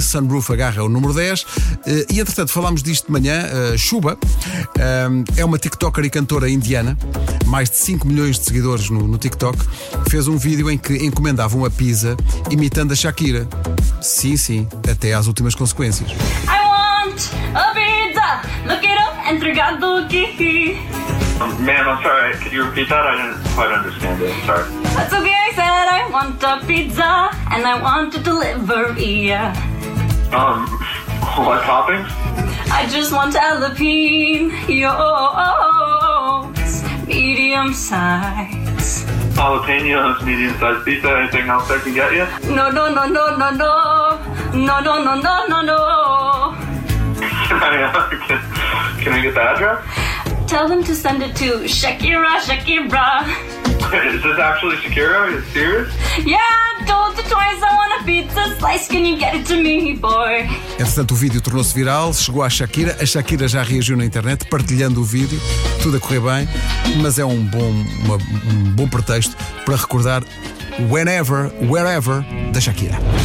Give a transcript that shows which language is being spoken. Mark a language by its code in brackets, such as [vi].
[pt] Sunroof agarra o número 10. E entretanto, falámos disto de manhã. Shuba é uma TikToker e cantora indiana. Mais de 5 milhões de seguidores no TikTok. Fez um vídeo em que encomendava uma pizza imitando a Shakira. Sim, sim, até às últimas consequências. [en] I want a pizza! Look it up, [pt] entregado aqui! [en] Ma'am, I'm sorry, could you repeat that? I didn't quite understand it, sorry. That's okay, I said I want a pizza and I want a delivery. What toppings? I just want jalapenos, medium size. Jalapenos, medium size pizza, anything else I can get you? No, no, no, no, no, no. No, no, no, no, no, no. Can I get the address? Tell them to send it to Shakira, Shakira. Wait, is this actually Shakira? Are you serious? Yeah, I've told you twice, I want a pizza slice. Can you get it to me, boy? [pt] Entretanto, o vídeo tornou-se viral, chegou à Shakira. A Shakira já reagiu na internet, partilhando o vídeo. Tudo a correr bem, mas é um bom pretexto para recordar Whenever, Wherever, da Shakira.